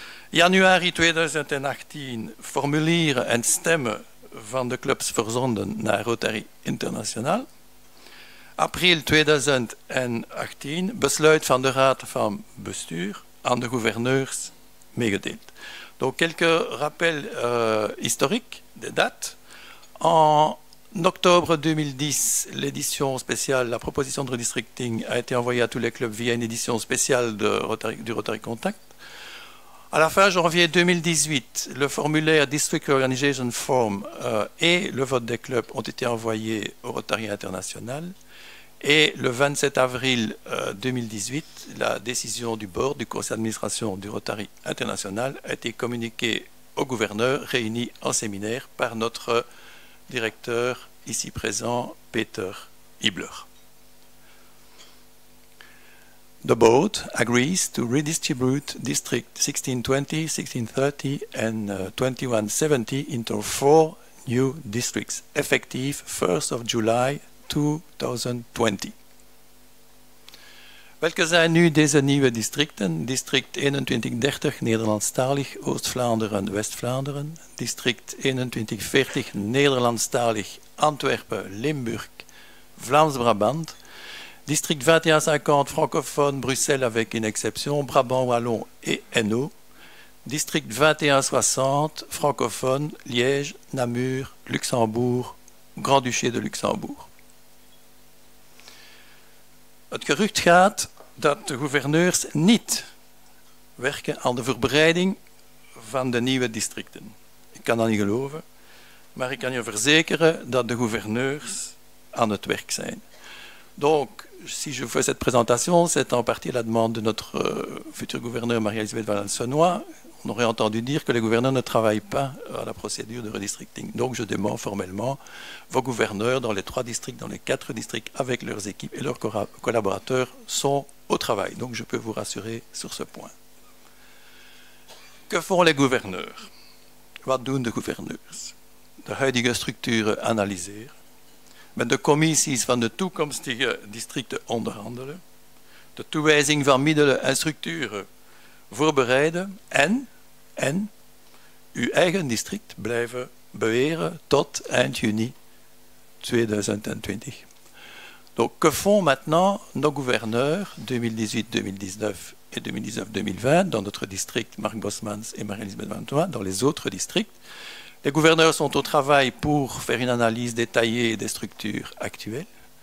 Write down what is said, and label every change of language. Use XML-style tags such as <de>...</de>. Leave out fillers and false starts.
<nl>Januari 2018, formulieren en stemmen van de clubs verzonden naar Rotary Internationaal. April 2018, besluit van de Raad van Bestuur aan de gouverneurs meegedeeld.</nl> <fr>Donc, quelques rappels historiques des dates. En octobre 2010, l'édition spéciale, la proposition de redistricting a été envoyée à tous les clubs via une édition spéciale du Rotary Contact. À la fin janvier 2018, le formulaire District Organization Form et le vote des clubs ont été envoyés au Rotary International. Et le 27 avril 2018, la décision du board du conseil d'administration du Rotary International a été communiquée aux gouverneurs réunis en séminaire par notre directeur ici présent, Peter Hibbler.</fr> <en>The board agrees to redistribute district 1620, 1630 and 2170 into four new districts, effective 1st of July 2020.</en> <nl>Welke zijn nu deze nieuwe districten? District 2130 Nederlandstalig Oost-Vlaanderen West-Vlaanderen. District 2140 Nederlandstalig Antwerpen Limburg Vlaams-Brabant.</nl> <fr>District 2150 Francophone Bruxelles avec une exception Brabant Wallon et Hainaut. District 2160 Francophone Liège Namur Luxembourg Grand-Duché de Luxembourg.</fr> <nl>Het gerucht gaat dat de gouverneurs niet werken aan de verbreiding van de nieuwe districten. Ik kan dat niet geloven, maar ik kan je verzekeren dat de gouverneurs aan het werk zijn.</nl> <fr>Donc, si je fais cette présentation, c'est en partie la demande de notre futur gouverneur Marie-Elisabeth Valensenois. On aurait entendu dire que les gouverneurs ne travaillent pas à la procédure de redistricting. Donc, je demande formellement vos gouverneurs dans les trois districts, dans les quatre districts, avec leurs équipes et leurs collaborateurs, sont au travail. Donc, je peux vous rassurer sur ce point. Que font les gouverneurs?</fr> <nl>Wat doen de gouverneurs? De huidige structuren analyseren. Met de commissies van de toekomstige districten onderhandelen. De toewijzing van middelen en structuren voorbereiden en uw eigen district blijven beheren tot eind juni 2020.</nl> <fr>Donc, que font maintenant nos gouverneurs 2018-2019 et 2019-2020 dans notre district Marc Bosmans et Marie-Elisabeth Valensenois, dans les autres districts? Les gouverneurs sont au travail pour faire une analyse détaillée des structures actuelles.</fr>